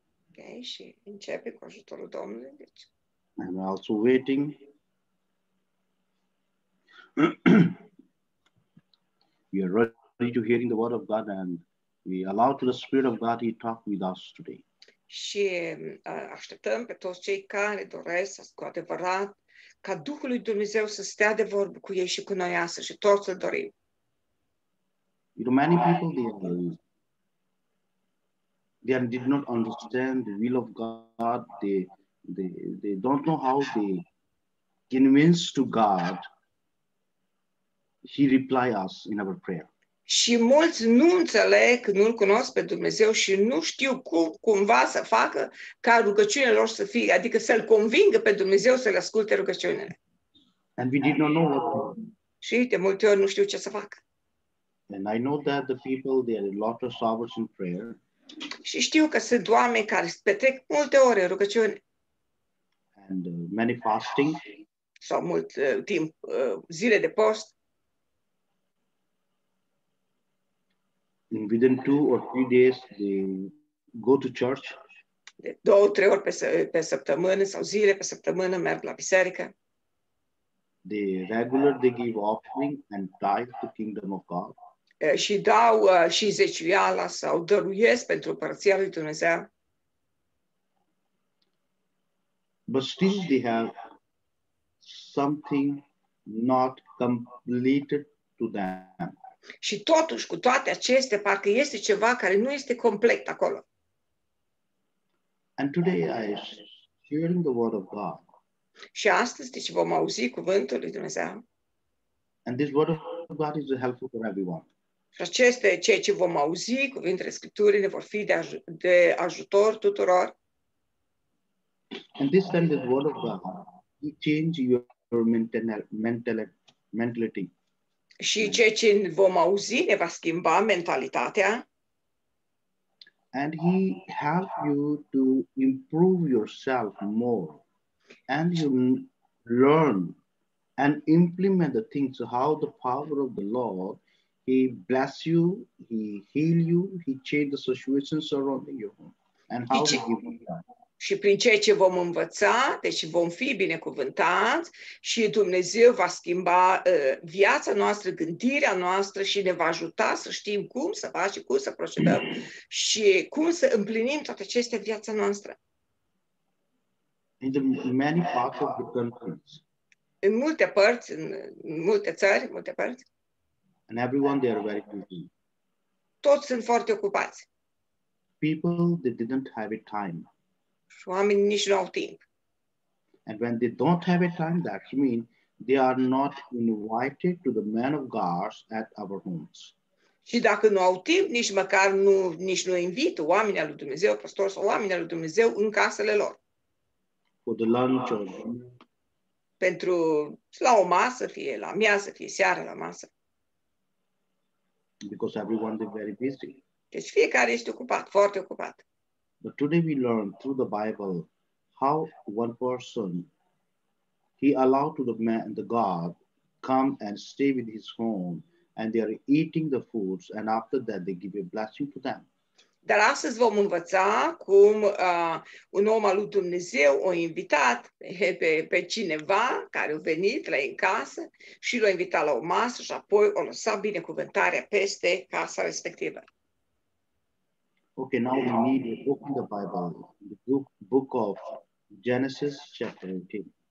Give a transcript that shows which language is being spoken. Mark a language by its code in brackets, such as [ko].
[ro] Okay, și începe cu ajutorul Domnului. Deci. [en] I'm also waiting. We are ready to hearing the word of God and we allow to the Spirit of God to talk with us today. [ro] Și așteptăm pe toți cei care doresc cu adevărat ca Duhul lui Dumnezeu să stea de vorbă cu ei și cu noi astăzi și toți îl dorim. [en] You know, many people, they did not understand the will of God. They don't know how they convince to God. He reply us in our prayer. [ro] Și mulți nu înțeleg, nu-L cunosc pe Dumnezeu și nu știu cum cumva să facă ca rugăciunile lor să fie, adică să-L convingă pe Dumnezeu să-L asculte rugăciunile. [en] And we did not know what to do. [ro] Și de multe ori nu știu ce să fac. [en] And I know that the people, they are a lot of hours in prayer. [ro] Și știu că sunt oameni care petrec multe ore în rugăciune. [en] And many fasting. [ro] Sau mult timp, zile de post. [en] And within 2 or 3 days, they go to church. [ro] De 2-3 ori pe săptămână sau zile pe săptămână merg la biserică. [en] They regular, they give offering and tithe to kingdom of God. [ro] Și dau și zeciuiala sau dăruiesc pentru împărăția lui Dumnezeu. [en] But still they have something not completed to them. [ro] Și totuși, cu toate acestea, parcă este ceva care nu este complet acolo. [en] And today I am hearing the word of God. [ro] Și astăzi, deci, vom auzi cuvântul lui Dumnezeu. [en] And this word of God is helpful for everyone. [ro] Și acestea, ceea ce vom auzi, cuvintele Scripturii, ne vor fi de ajutor tuturor. [en] And this time, the word of God, it changes your mentality. [ro] Și ceea ce vom auzi ne va schimba mentalitatea. [en] And he helps you to improve yourself more. And you learn and implement the things how the power of the Lord, he bless you, he heal you, he change the situations around you. And how he give you that. [ro] și prin ceea ce vom învăța, deci vom fi binecuvântați și Dumnezeu va schimba viața noastră, gândirea noastră și ne va ajuta să știm cum să facem, cum să procedăm și cum să împlinim toate acestea în viața noastră. [en] In the many parts of the conference. [ro] În multe părți, în multe țări, în multe părți. [en] And everyone there are very busy. [ro] Toți sunt foarte ocupați. [en] People they didn't have a time. [ro] Și oamenii nici nu au timp. [en] And when they don't have a time, that means they are not invited to the man of God at our homes. [ro] Și dacă nu au timp, nici măcar nu, nici nu invită oamenii lui Dumnezeu, pastor sau oamenii lui Dumnezeu în casele lor. [en] For the lunch or [ro] pentru la o masă, fie la miază, fie seara la masă. [en] Because everyone is very busy. [ro] Deci fiecare este ocupat, foarte ocupat. [en] But today we learn through the Bible how one person he allowed to the man the God come and stay with his home and they are eating the foods and after that they give a blessing to them. [ro] Dar astăzi vom învăța cum un om al lui Dumnezeu a invitat pe cineva care a venit la ei în casă și l-a invitat la o masă și apoi a lăsat binecuvântarea peste casa respectivă. [en] Okay, now we need a book in the Bible, the book of Genesis, chapter 18.